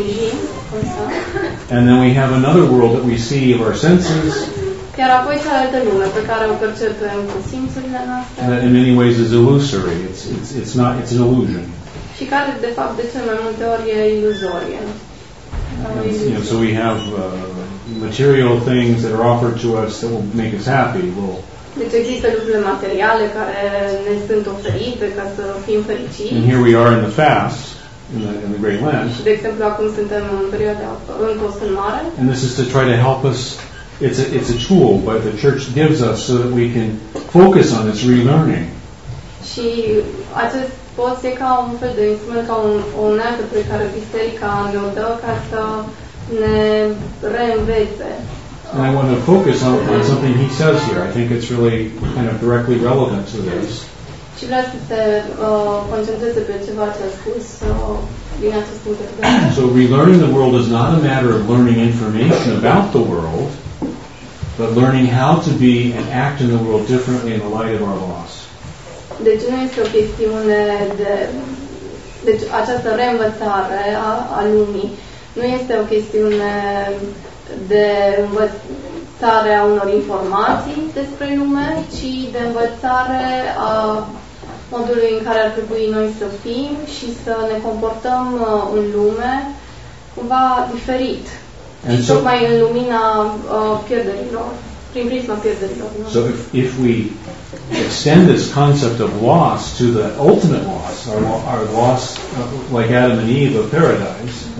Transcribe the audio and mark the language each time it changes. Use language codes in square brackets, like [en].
[en] And then we have another world that we see of our senses. [ro] Chiar apoi cealaltă lume pe care o percepem cu simțurile noastre. [en] And that in many ways is illusory. It's not, it's an illusion. [ro] Și care de fapt de cele mai multe ori e iluzorie. [en] So we have material things that are offered to us that will make us happy. And here we are in the fast, in the Great Lent. And this is to try to help us. It's a tool that the Church gives us so that we can focus on this relearning. [ro] Și acest post e ca un fel de instrument, ca o unealtă pe care Biserica ne-o dă ca să ne reînvețe. [en] And I want to focus on something he says here. I think it's really kind of directly relevant to this. [ro] Și vreau să se concentreze pe ceva ce a spus din acest punct de vedere. [en] So relearning the world is not a matter of learning information about the world, but learning how to be and act in the world differently in the light of our loss. [ro] Deci nu este o chestiune deci această reînvățare a lumii nu este o chestiune de învățare a unor informații despre lume, ci de învățare a modului în care ar trebui noi să fim și să ne comportăm în lume cumva diferit. [en] And so, [ro] tocmai în lumina pierderilor, prin prisma pierderilor. [en] So if we extend this concept of loss to the ultimate loss, our loss like Adam and Eve of paradise.